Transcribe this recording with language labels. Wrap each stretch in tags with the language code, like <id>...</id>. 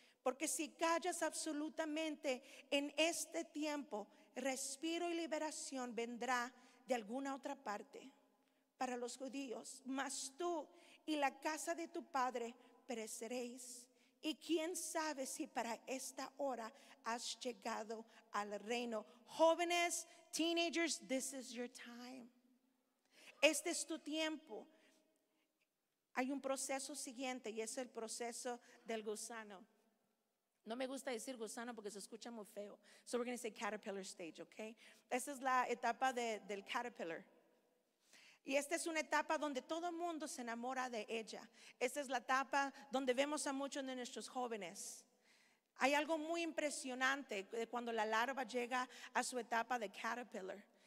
<es>Porque si callas absolutamente en este tiempo, respiro y liberación vendrá de alguna otra parte para los judíos. Mas tú y la casa de tu padre pereceréis. Y quién sabe si para esta hora has llegado al reino.</es> <en>Jóvenes, teenagers, this is your time.</en> <es>Este es tu tiempo. Hay un proceso siguiente y es el proceso del gusano. No me gusta decir gusano porque se escucha muy feo.</es> <en>So we're going to say caterpillar stage, okay?</en> <es>Esa es la etapa del caterpillar. Y esta es una etapa donde todo el mundo se enamora de ella. Esta es la etapa donde vemos a muchos de nuestros jóvenes. Hay algo muy impresionante de cuando la larva llega a su etapa de caterpillar.</es>